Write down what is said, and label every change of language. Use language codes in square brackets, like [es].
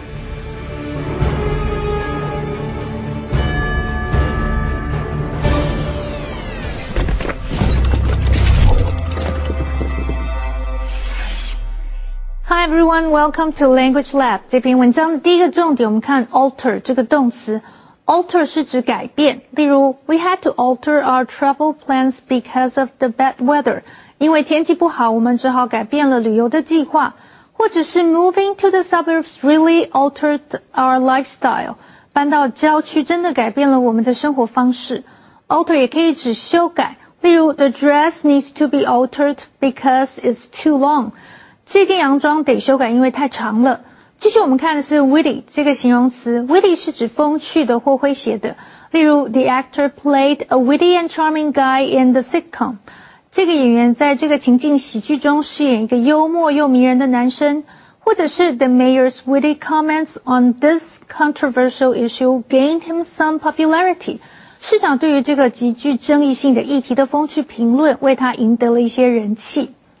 [en] Hi everyone, welcome to Language Lab. [zh] 这篇文章的第一个重点，我们看 alter 这个动词。 [en] Alter [zh] 是指改变，例如 [en] We had to alter our travel plans because of the bad weather. [zh] 因为天气不好，我们只好改变了旅游的计划。或者是 [en] Moving to the suburbs really altered our lifestyle. [zh] 搬到郊区真的改变了我们的生活方式。 [en] Alter [zh] 也可以指修改，例如 [en] The dress needs to be altered because it's too long. [zh] 这件洋装得修改，因为太长了。继续我们看的是 witty 这个形容词 ,witty 是指风趣的或诙谐的。例如 [en] ,the actor played a witty and charming guy in the sitcom. [zh] 这个演员在这个情境喜剧中饰演一个幽默又迷人的男生。或者是 [en] ,the mayor's witty comments on this controversial issue gained him some popularity. [zh] 市长对于这个极具争议性的议题的风趣评论为他赢得了一些人气。